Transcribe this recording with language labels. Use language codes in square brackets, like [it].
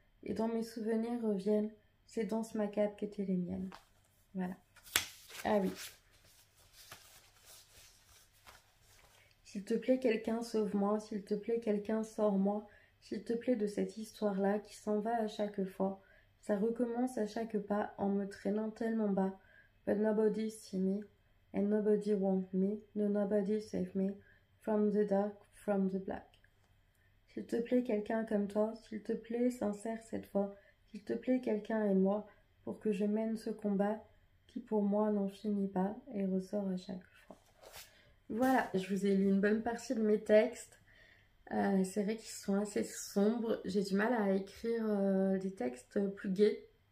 [fr] Et dans mes souvenirs reviennent ces danses macabres qui étaient les miennes. Voilà. Ah oui. S'il te plaît, quelqu'un, sauve-moi. S'il te plaît, quelqu'un, sors-moi. S'il te plaît, de cette histoire-là qui s'en va à chaque fois. Ça recommence à chaque pas en me traînant tellement bas. [en] But nobody see me, and nobody want me, no nobody save me, from the dark, from the black. [fr] S'il te plaît, quelqu'un comme toi, s'il te plaît, sincère cette fois, s'il te plaît, quelqu'un et moi, pour que je mène ce combat qui pour moi n'en finit pas et ressort à chaque fois. Voilà, je vous ai lu une bonne partie de mes textes. C'est vrai qu'ils sont assez sombres, j'ai du mal à écrire des textes plus gais.